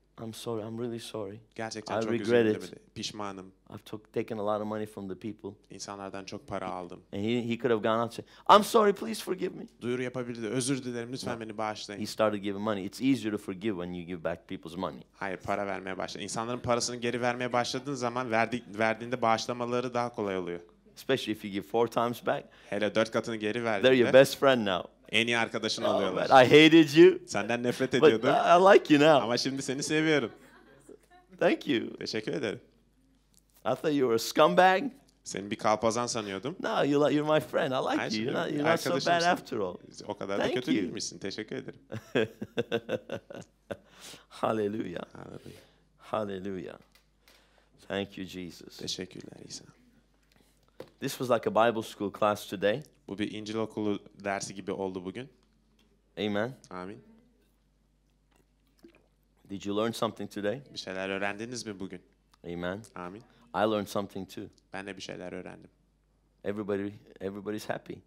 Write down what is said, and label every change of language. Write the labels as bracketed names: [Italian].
[English] I'm sorry, I'm really sorry. [Turkish] Gerçekten [English] I [Turkish] çok [English] regret [Turkish] üzgünüm. [English] It. [Turkish] Pişmanım. [English] I've taken a lot of money from the people. [Turkish] İnsanlardan çok para aldım. [English] And he could have gone out and said, I'm sorry, please forgive me. [Turkish] Duyuru yapabilirdi. Özür dilerim, lütfen beni bağışlayın. [English] He started giving money. It's easier to forgive when you give back people's money. [Turkish] Hayır, para vermeye başladı. İnsanların parasını geri vermeye başladığın zaman verdiğinde bağışlamaları daha kolay oluyor. [English] Especially if you give four times back. [Turkish] Hele dört katını geri verdiğinde. [English] They're your best friend now. [Turkish] En iyi arkadaşın oh, oluyorlar. [English] I hated you. [Turkish] Senden nefret ediyordum. [English] But I like you now. [Turkish] Ama şimdi seni seviyorum. [English] Thank you. [Turkish] Teşekkür ederim. [English] I thought you were a scumbag. [Turkish] Seni bir kalpazan sanıyordum. [English] No, you're my friend. I like you. You're not so bad after all. [Turkish] O kadar [English] Thank [Turkish] da kötü [English] you. [Turkish] Değilmişsin. Teşekkür ederim. [English] Hallelujah. Hallelujah. Hallelujah. Thank you, Jesus. [Turkish] Teşekkürler İsa. [English] This was like a Bible school class today. [Turkish] Bu bir İncil okulu dersi gibi oldu bugün. [English] Amen. [Turkish] Amin. [English] Did you learn something today? [Turkish] Bir şeyler öğrendiniz mi bugün? [English] Amen. [Turkish] Amin. [English] I learned something too. [Turkish] Ben de bir şeyler öğrendim. [English] Everybody's happy.